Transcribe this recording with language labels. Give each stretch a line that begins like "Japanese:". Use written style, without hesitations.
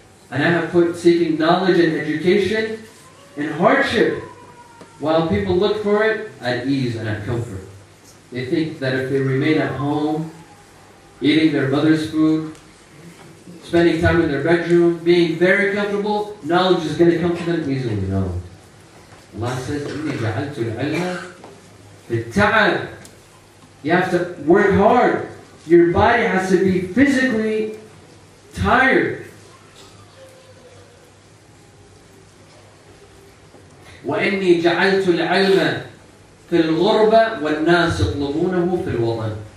English: And I have put seeking knowledge and education in hardship, while people look for it at ease and at comfort. They think that if they remain at home, eating their mother's food, spending time in their bedroom, being very comfortable, knowledge is going to come to them easily. No. Allah says,
Arabic: إِنِّي جَعَلْتُ الْعَلْمَ فِي التَّعَبِ.
English: You have to work hard. Your body has to be physically tired.
Arabic: وَإِنِّي جَعَلْتُ الْعَلْمَ فِي الْغُرْبَةِ وَالنَّاسِ يَطْلُبُونَهُ فِي الْوَطَنِ.